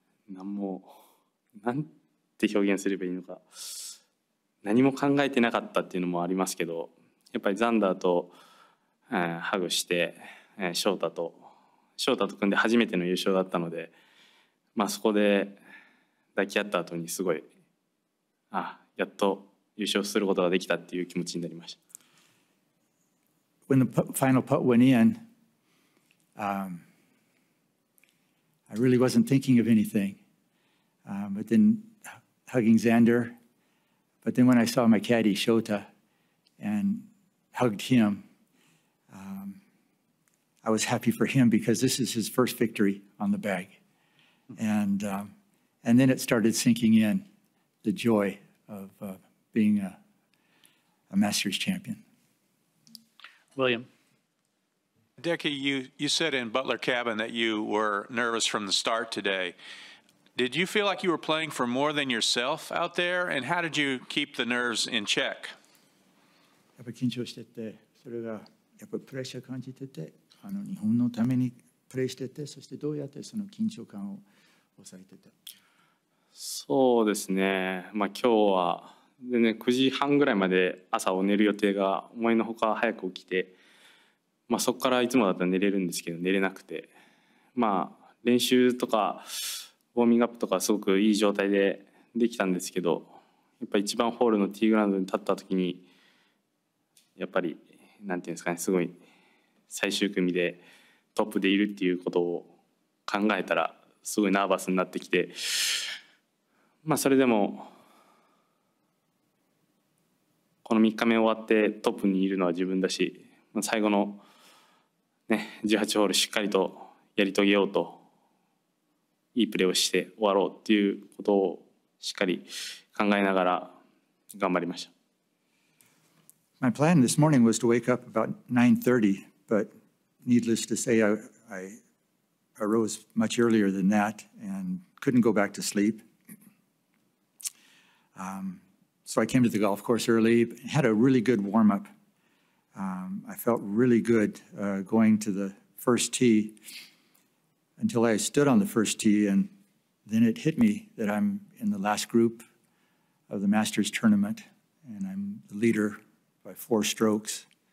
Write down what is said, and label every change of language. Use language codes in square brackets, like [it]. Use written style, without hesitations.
[ja] 何もなんて表現すればいいのか、何も考えてなかったっていうのもありますけど、やっぱりザンダーと、ハグして、ショータと組んで初めての優勝だったので。まあ、そこで抱き合った後にすごい、やっと優勝することができたっていう気持ちになりました。 [en] When the final putt went in, I really wasn't thinking of anything. But then hugging Xander, but then when I saw my caddy Shota and hugged him, I was happy for him because this is his first victory on the bag. And then it started sinking in, the joy of being a Masters champion. William. Deki, you said in Butler Cabin that you were nervous from the start today. Did you feel like you were playing for more than yourself out there? And how did you keep the nerves in check? [ja] やっぱ緊張してて、それがやっぱプレッシャー感じてて、あの日本のためにプレーしてて、そしてどうやってその緊張感を抑えてた。そうですね、まあ、今日は全然9時半ぐらいまで朝を寝る予定が思いのほか早く起きて、まあ、そこからいつもだったら寝れるんですけど寝れなくて、まあ、練習とかウォーミングアップとかすごくいい状態でできたんですけど、やっぱ一番ホールのティーグラウンドに立った時にやっぱりなんていうんですかね、すごい最終組でトップでいるっていうことを考えたらすごいナーバスになってきて、まあそれでもこの3日目終わってトップにいるのは自分だし、最後のね18ホールしっかりとやり遂げようと、いいプレーをして終わろうっていうことをしっかり考えながら頑張りました。 [en] My plan this morning was to wake up about 9:30, but needless to say, I arose much earlier than that and couldn't go back to sleep. So I came to the golf course early, had a really good warm-up. I felt really good going to the first tee until I stood on the first tee, and then it hit me that I'm in the last group of the Masters tournament, and I'm the leader by 4 strokes.